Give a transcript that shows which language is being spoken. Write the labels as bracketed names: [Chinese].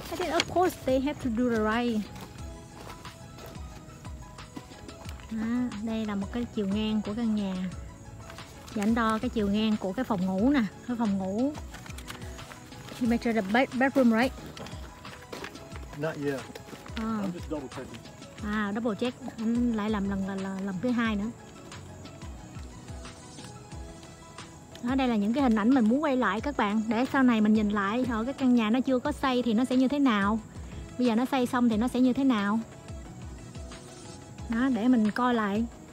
[English] I think, of course, they have to do the right. [Vietnamese] Đây là một cái chiều ngang của căn nhà. Và anh đo cái chiều ngang của cái phòng ngủ nè. Cái phòng ngủ. [English] You measure the bedroom, right? Not yet. I'm just double checking. Double check, [Vietnamese] anh lại làm lần thứ hai nữa. Đó, đây là những cái hình ảnh mình muốn quay lại các bạn, để sau này mình nhìn lại ở cái căn nhà nó chưa có xây thì nó sẽ như thế nào. Bây giờ nó xây xong thì nó sẽ như thế nào. Đó, để mình coi lại.